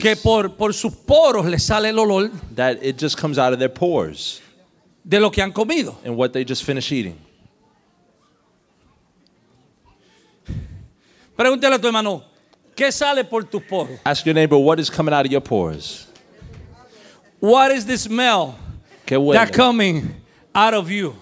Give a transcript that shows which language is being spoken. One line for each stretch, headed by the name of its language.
Spanish: Que por sus poros le sale el olor.
English: That it just comes out of their pores.
Spanish: De lo que han comido.
English: And what they just finished eating.
Spanish: Pregúntale a tu hermano, ¿qué sale por tus poros?
English: Ask your neighbor, what is coming out of your pores? What is the smell that coming out of you?